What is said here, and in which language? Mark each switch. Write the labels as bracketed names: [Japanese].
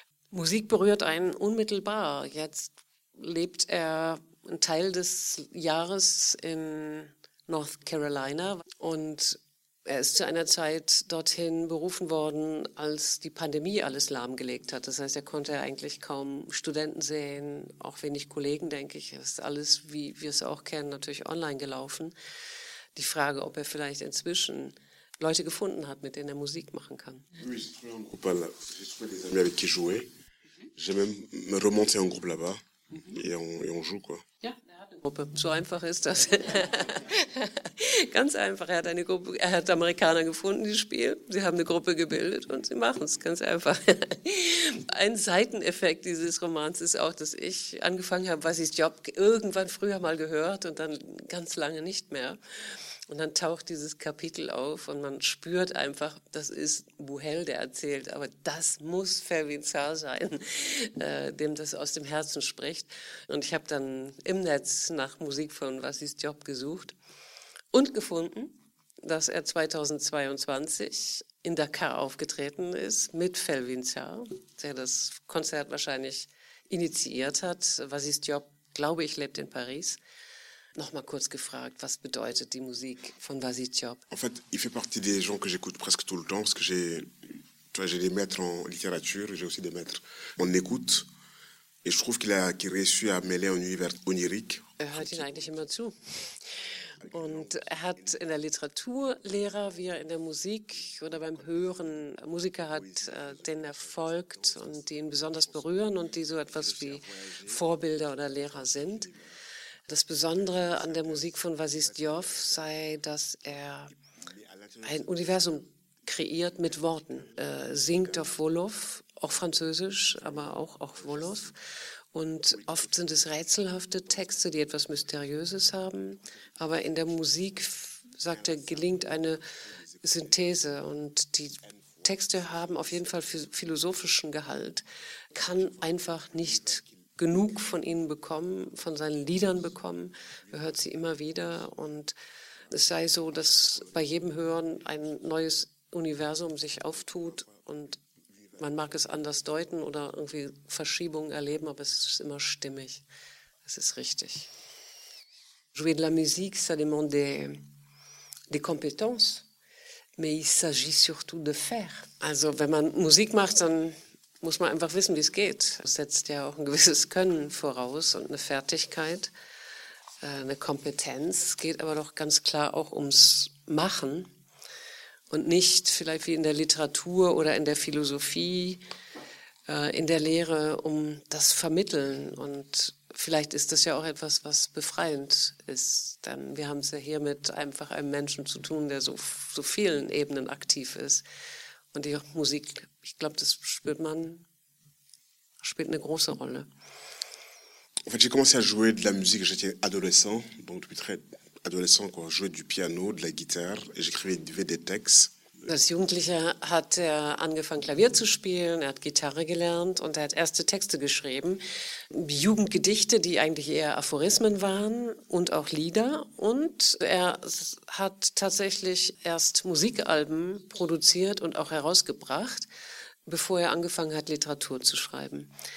[German] Musik berührt einen unmittelbar. Jetzt lebt er einen Teil des Jahres in North Carolina und er ist zu einer Zeit dorthin berufen worden, als die Pandemie alles lahmgelegt hat. Das heißt, er konnte eigentlich kaum Studenten sehen, auch wenig Kollegen, denke ich. Es ist alles, wie wir es auch kennen, natürlich online gelaufen. Die Frage, ob er vielleicht inzwischen Leute gefunden hat, mit denen er Musik machen kann. [French] Oui, j'ai trouvé un groupe là. J'ai trouvé des amis avec qui jouer. J'ai même remonté un groupe là-bas. Et on joue, quoi. [German] Ja. Gruppe. So einfach ist das. Ganz einfach. Er hat Amerikaner gefunden, die spielen. Sie haben eine Gruppe gebildet und sie machen es. Ganz einfach. Ein Seiteneffekt dieses Romans ist auch, dass ich angefangen habe, Waziz Diop irgendwann früher mal gehört und dann ganz lange nicht mehr. Und dann taucht dieses Kapitel auf und man spürt einfach, das ist Buhel, der erzählt, aber das muss Felvinsar sein, dem das aus dem Herzen spricht. Und ich habe dann im Netz nach Musik von Waziz Diop gesucht und gefunden, dass er 2022 in Dakar aufgetreten ist mit Felvinsar, der das Konzert wahrscheinlich initiiert hat. Waziz Diop, glaube ich, lebt in Paris. Nochmal kurz gefragt, was bedeutet die Musik von Vasie Diop? [French] En fait, il fait partie des gens que j'écoute presque tout le temps, parce que j'ai des maîtres en littérature, j'ai aussi des maîtres en écoute, et je trouve qu'il a réussi à mêler un univers onirique. [German] Er hört ihn eigentlich immer zu. Und er hat in der Literaturlehre, wie er in der Musik oder beim Hören Musiker hat, denen er folgt und die ihn besonders berühren und die so etwas wie Vorbilder oder Lehrer sind. Das Besondere an der Musik von Vasie Diop sei, dass er ein Universum kreiert mit Worten. Er singt auf Wolof, auch Französisch, aber auch auf Wolof. Und oft sind es rätselhafte Texte, die etwas Mysteriöses haben. Aber in der Musik, sagt er, gelingt eine Synthese. Und die Texte haben auf jeden Fall philosophischen Gehalt. Kann einfach nicht genug von ihnen bekommen, von seinen Liedern bekommen. Er hört sie immer wieder. Und es sei so, dass bei jedem Hören ein neues Universum sich auftut und man mag es anders deuten oder irgendwie Verschiebungen erleben, aber es ist immer stimmig. Es ist richtig. [French] Jouer de la musique, ça demande des compétences, mais il s'agit surtout de faire. [German] Also, wenn man Musik macht, dann muss man einfach wissen, wie es geht. Das setzt ja auch ein gewisses Können voraus und eine Fertigkeit, eine Kompetenz. Es geht aber doch ganz klar auch ums Machen. Und nicht vielleicht wie in der Literatur oder in der Philosophie, in der Lehre, um das Vermitteln. Und vielleicht ist das ja auch etwas, was befreiend ist. Denn wir haben es ja hier mit einfach einem Menschen zu tun, der so vielen Ebenen aktiv ist. Und die Musik, ich glaube, das spürt man, spielt eine große Rolle. [French] En fait, j'ai commencé à jouer de la musique, j'étais adolescent, donc depuis très adolescent, quoi. Jouer du piano, de la guitare, et j'écrivais des textes. [German] Als Jugendlicher hat er angefangen, Klavier zu spielen, er hat Gitarre gelernt und er hat erste Texte geschrieben. Jugendgedichte, die eigentlich eher Aphorismen waren und auch Lieder. Und er hat tatsächlich erst Musikalben produziert und auch herausgebracht, bevor er angefangen hat, Literatur zu schreiben.